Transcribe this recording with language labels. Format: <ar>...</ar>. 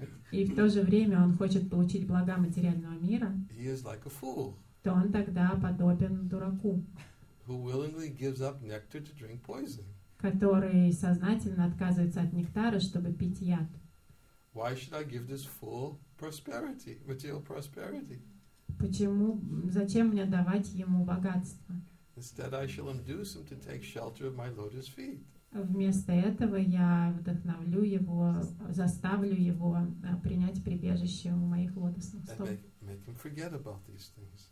<ru>и в то же время он хочет получить блага материального мира,</ru> <en>like fool,</en> <ru>то он тогда подобен дураку, который сознательно отказывается от нектара, чтобы пить яд.</ru> <en>Why should I give this fool prosperity, material prosperity?</en> <ru>Почему, зачем мне давать ему богатство?</ru> <en>Instead, I shall induce him to take shelter of my lotus feet.</en> <ru>Вместо этого я вдохновлю его, заставлю его принять прибежище у моих лотосных стоп.</ru> <en>Make him forget about these things.</en>